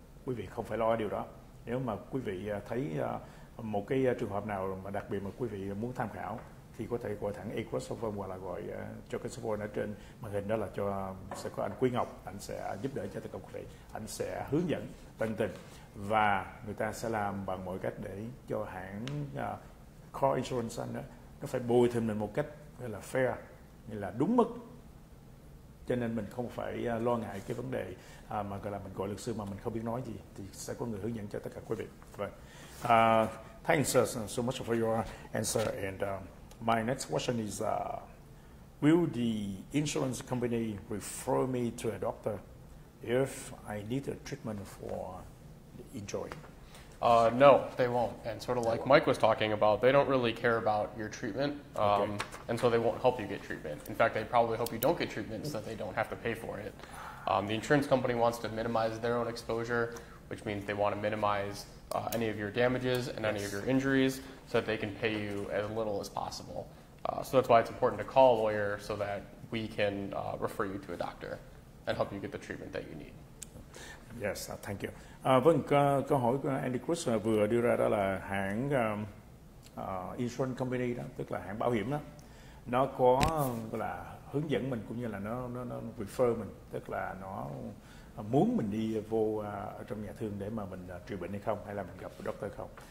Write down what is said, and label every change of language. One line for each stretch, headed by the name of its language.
Vietnamese: Quý vị không phải lo điều đó. Nếu mà quý vị thấy một cái trường hợp nào mà đặc biệt mà quý vị muốn tham khảo thì có thể gọi thẳng Equus Law Firm hoặc là gọi cho cái số phone ở trên màn hình đó, là cho sẽ có anh Quý Ngọc, anh sẽ giúp đỡ cho tất cả quý vị, anh sẽ hướng dẫn tận tình và người ta sẽ làm bằng mọi cách để cho hãng car insurance anh đó, nó phải bồi thường mình một cách gọi là fair, nghĩa là đúng mức, cho nên mình không phải lo ngại cái vấn đề mà gọi là mình gọi luật sư mà mình không biết nói gì, thì sẽ có người hướng dẫn cho tất cả quý vị. Vâng.
English: Thanks so much for your answer and my next question is, will the insurance company refer me to a doctor if I need a treatment for injury? No, they won't. And sort of like Mike was talking about, they don't really care about your treatment, and so they won't help you get treatment. In fact, they probably hope you don't get treatment so that they don't have to pay for it. The insurance company wants to minimize their own exposure, which means they want to minimize any of your damages and any of your injuries so that they can pay you as little as possible. So that's why it's important to call a lawyer so that we can refer you to a doctor and help you get the treatment that you need. Yes, thank you.
Vietnamese: Vâng, câu hỏi của Andy Cruz vừa đưa ra đó là hãng insurance company đó, tức là hãng bảo hiểm đó, nó có là hướng dẫn mình cũng như là nó refer mình, tức là nó muốn mình đi vô trong nhà thương để mà mình trị bệnh hay không, hay là mình gặp doctor không?